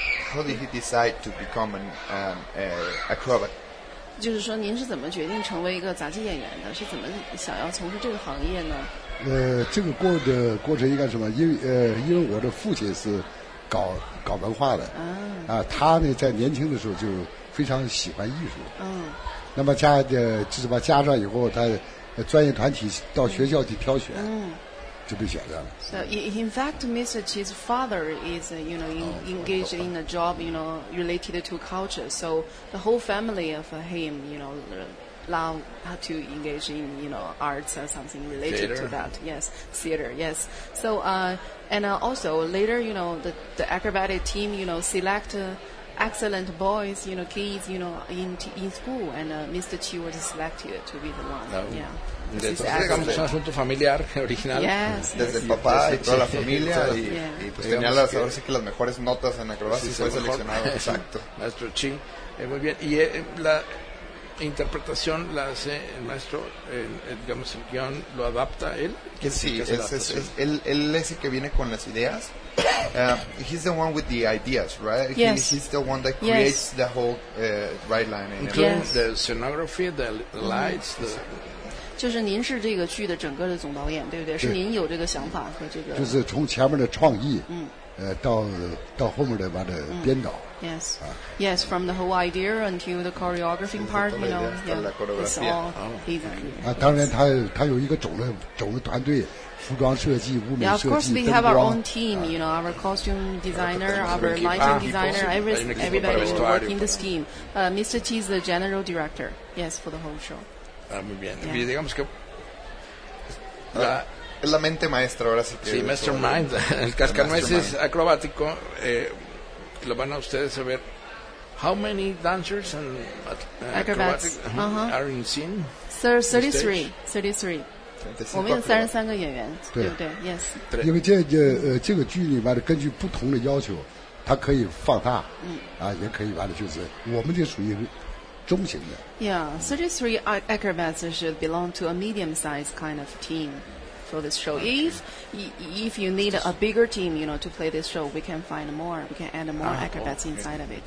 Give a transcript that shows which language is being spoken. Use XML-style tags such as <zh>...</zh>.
<en>How did you decide to become an acrobat?</en> <zh>就是说您是怎么决定成为一个杂技演员的，是怎么想要从事这个行业呢？这个过程应该什么，因为我的父亲是搞文化的他呢在年轻的时候就非常喜欢艺术，那么加上以后他专业团体到学校去挑选，就被选上了。</zh> <en>So in fact, Mr. Chi's father is, you know, engaged in a job, you know, related to culture. So the whole family of him, you know, love to engage in, you know, arts or something related theater. To that. Yes, theater, yes. So, also later, you know, the acrobatic team, you know, select excellent boys, you know, kids, you know, in school, and Mr. Chi was selected to be the one. No. Yeah.</en> <es>Es un asunto familiar, original.</es> <en>Yes,</en> <es>desde</es> <en>yes,</en> <es>el papá y toda la familia. Y pues tenía las, ahora sí que las mejores notas en acrobacias sí, y fue seleccionado. Exacto. Maestro Chi. Muy bien. Y la interpretación la hace el maestro, digamos, el guión, ¿lo adapta él? Que sí, él es el que viene con las ideas.</es> <en>He's the one with the ideas, right? Yes. He's the one that creates the whole right line. Including the scenography, the lights, the...</en> <zh>就是您是这个剧的整个的总导演，对不 对？是您有这个想法和这个。就是从前面的创意，嗯，到后面的把它编导。</zh> <en>嗯、yes.、啊、yes, from the whole idea until the choreography part, you know, yeah, it's all his idea.</en> <zh>啊，当然他有一个总的团队。服装设计、舞美设计、</zh> <en>灯光。Yeah, of course, we have our own team. You know, our costume designer, our lighting designer, everybody will work in this team. Mr. T is the general director. Yes, for the whole show.</en> <es>Muy bien.</es> <en>Yeah.</en> <es>Y digamos que es la mente maestra ahora sí. Sí, Mastermind. El cascanueces acrobático. Lo van a ustedes a ver.</es> <en>How many dancers and acrobats are in scene? 33.</en> <zh>我们有33个演员，对不对？</zh> <en>Yes.</en> <zh>因为这个剧里边根据不同的要求，它可以放大，也可以完了，就是我们就属于。中型的</zh> <en>yeah, 33 acrobats should belong to a medium-sized kind of team for this show. Okay. If you need a bigger team, you know, to play this show, we can find more, we can add more acrobats inside of it.</en>